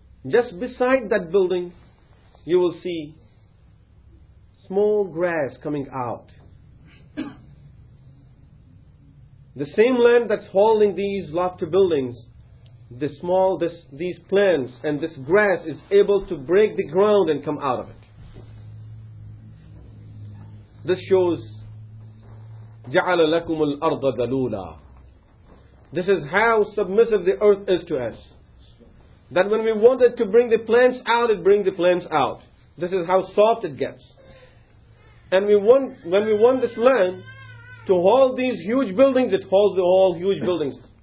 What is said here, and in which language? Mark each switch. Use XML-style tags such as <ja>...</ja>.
<en>Just beside that building, you will see small grass coming out. The same land that's holding these lofty buildings, these plants and this grass is able to break the ground and come out of it. This shows</en> <ar>جَعَلَ لَكُمُ الْأَرْضَ ذَلُولًا.</ar> <en>This is how submissive the earth is to us. That when we wanted to bring the plants out, it brings the plants out. This is how soft it gets. And when we want this land to hold these huge buildings, it holds all huge buildings.</en>